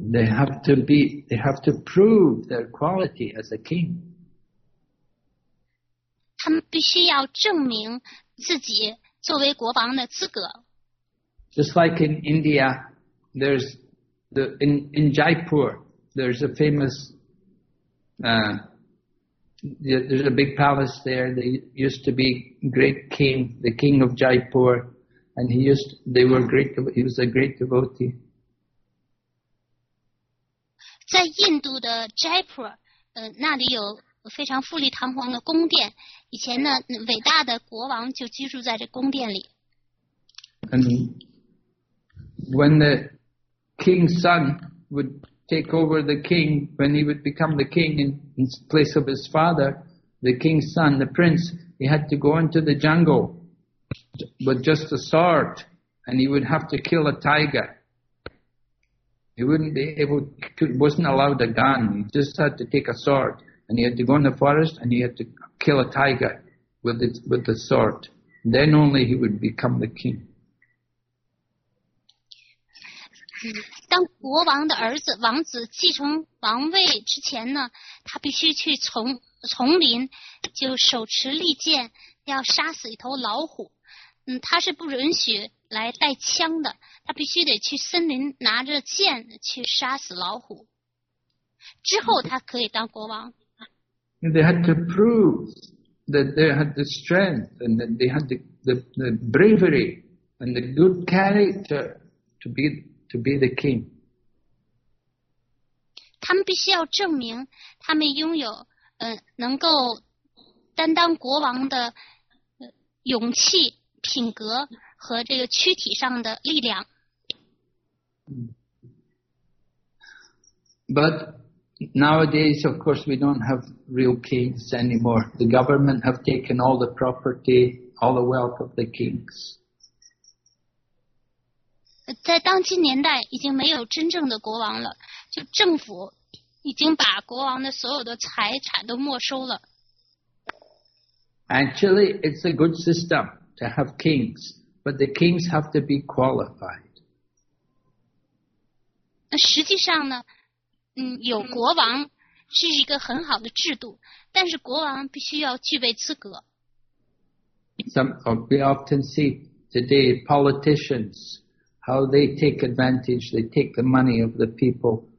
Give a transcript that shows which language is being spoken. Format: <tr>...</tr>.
<en>They have to prove their quality as a king.</en> <zh>他们必须要证明自己作为国王的资格。</zh> <en>Just like in India, there's the in Jaipur, there's a famous there's a big palace there. They used to be great king, the king of Jaipur, and he was a great devotee.</en> <zh>在印度的 Jaipur, 那里有非常富丽堂皇的宫殿，以前呢伟大的国王就居住在这宫殿里。</zh> <en>And when the king's son would take over the king, when he would become the king in place of his father, the king's son, the prince, he had to go into the jungle with just a sword, and he would have to kill a tiger. He wouldn't be able, wasn't allowed a gun. He just had to take a sword, and he had to go in the forest, and he had to kill a tiger with the sword. Then only he would become the king.</en> <zh>当国王的儿子王子继承王位之前呢，他必须去丛林，就手持利剑要杀死一头老虎。嗯，他是不允许来带枪的，他必须得去森林拿着剑去杀死老虎，之后他可以当国王。</zh> <en>They had to prove that they had the strength and that they had the bravery and the good character to be the king.</en> <zh>他们必须要证明他们拥有能够担当国王的勇气、品格和这个躯体上的力量。</zh> <en>But nowadays, of course, we don't have real kings anymore. The government have taken all the property, all the wealth of the kings.</en> <zh>在当今年代，已经没有真正的国王了，就政府已经把国王的所有的财产都没收了。</zh> <en>Actually, it's a good system to have kings, but the kings have to be qualified.</en> <zh>实际上呢，有国王是一个很好的制度，但是国王必须要具备资格。</zh> <en>We often see today politicians, how they take advantage, they take the money of the people.</en>